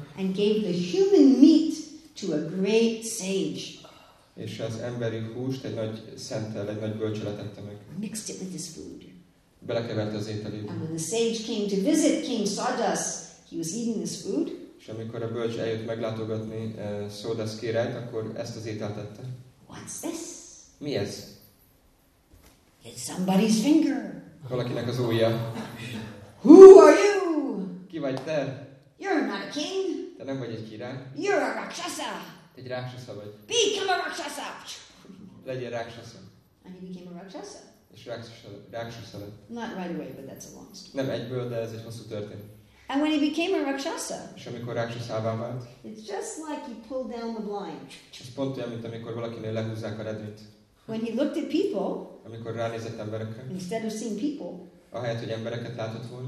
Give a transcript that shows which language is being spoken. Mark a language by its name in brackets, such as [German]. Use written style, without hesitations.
[English] And gave the human meat to a great sage. [Hungarian] És az emberi húst egy nagy szenttel, egy nagy bölcsel etette meg. [English] Mixed it with his food. [Hungarian] Belekeverte az ételébe. [English] And when the sage came to visit King Sawdust, he was eating this food. [Hungarian] És amikor a bölcs eljött meglátogatni Sawdust királyt, akkor ezt az ételt tette. [English] What's this? [Hungarian] Mi ez? [English] It's somebody's finger. [Hungarian] Valakinek az ujja. [English] Who are you? [Hungarian] Ki vagy te? [English] You're not a king. [Hungarian] Te nem vagy egy király. [English] You're a rakshasa. [Hungarian] Te egy rakshasa vagy. [English] Become a rakshasa. [Hungarian] Legyél rakshasa. [English] And he became a rakshasa. [Hungarian] És rakshasa lett. [English] Not right away, but that's a long story. [Hungarian] Nem egyből, de ez egy hosszú történet. [English] And when he became a rakshasa. [Hungarian] És amikor rakshasává vált. [English] It's just like he pulled down the blind. [Hungarian] Ez pont olyan, mint amikor valakinél lehúzzák a redőt. [English] When he looked at people. [Hungarian] Amikor ránézett emberekre. [English] Instead of seeing people. [Hungarian] Ahelyett, hogy embereket látott volna.